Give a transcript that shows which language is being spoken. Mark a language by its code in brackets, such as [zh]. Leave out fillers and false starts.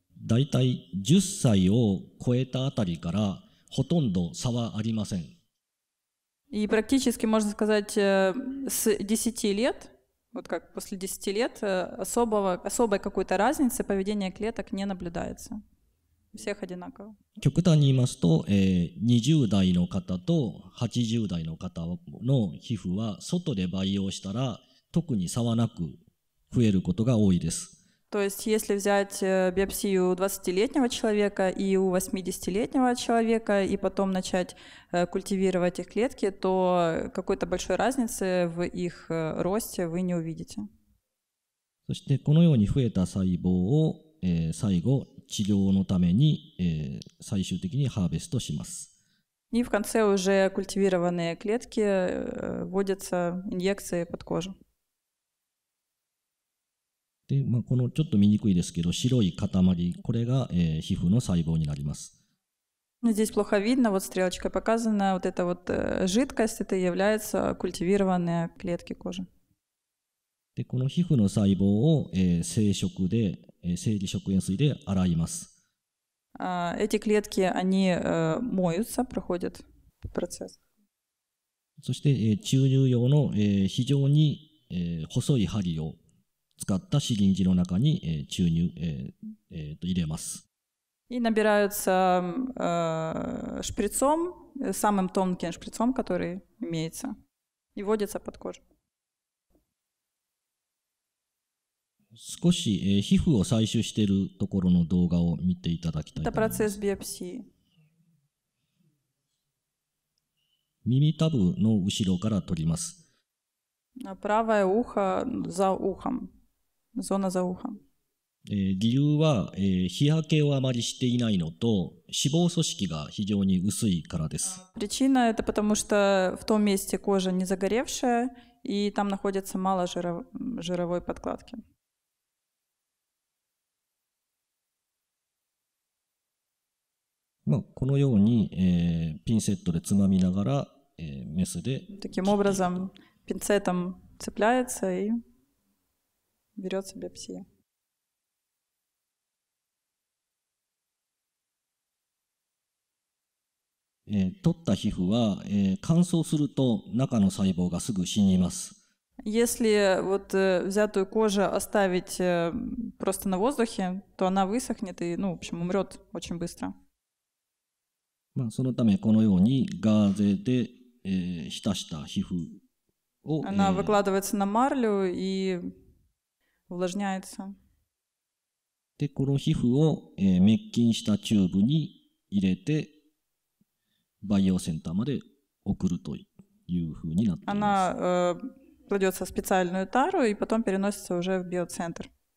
[ja] だいたい10歳を超えたあたりからほとんど差はありません。 [ru] И практически можно сказать с 10 лет。 Вот как после 10 лет особой какой-то разницы поведения клеток не наблюдается. Всех одинаково. [ja] 極端に言いますと、20代の方と80代の方の皮膚は外で培養したら特に差はなく増えることが多いです。 [ru] То есть, если взять биопсию 20-летнего человека и у 80-летнего человека и потом начать культивировать их клетки, то какой-то большой разницы в их росте вы не увидите. [ja] そしてこのように増えた細胞を、最後治療のために、最終的にハーベストします。 [ru] И в конце уже культивированные клетки вводятся инъекции под кожу. [ja] でまあ、このちょっと見にくいですけど白い塊これが、皮膚の細胞になります。 [ru] Здесь плохо видно, вот стрелочка показана, вот эта вот жидкость это является культивированные клетки кожи. [ja] でこの皮膚の細胞を、生殖で、生理食塩水で洗います。 [ru] Эти клетки они моются, проходят процесс. [ja] そして、注入用の、非常に、細い針を使ったシリンジの中に、注入、入れます。 [ru] И набираются шприцом, самым тонким шприцом, который имеется, и вводится под кожу. [ja] 少し、皮膚を採取しているところの動画を見ていただきたいと思います。 [ru] Это процесс биопсии. [ja] 耳たぶの後ろから取ります。 [ru] Правое ухо за ухом. Зона за ухом. [ja] 理由は、日焼けをあまりしていないのと脂肪組織が非常に薄いからです。 [ru] Причина это потому что в том месте кожа не загоревшая и там находится мало жировой подкладки. [ja] まあこのように、ピンセットでつまみながら、メスで。 [ru] Таким образом пинцетом цепляется и берется биопсия. [ja] Тотта 皮膚は乾燥すると中の細胞がすぐ死にます。 [ru] Если вот взятую кожу оставить просто на воздухе, то она высохнет и, ну, в общем, умрет очень быстро. [ja] まあそのためこのようにガーゼで浸した皮膚を。 [ru] Она выкладывается на марлю и увлажняется. [ja] で、この皮膚を、滅菌したチューブに入れて培養センターまで送るというふうになっています。 [ru] Она кладется в специальную тару и потом переносится уже в биоцентр.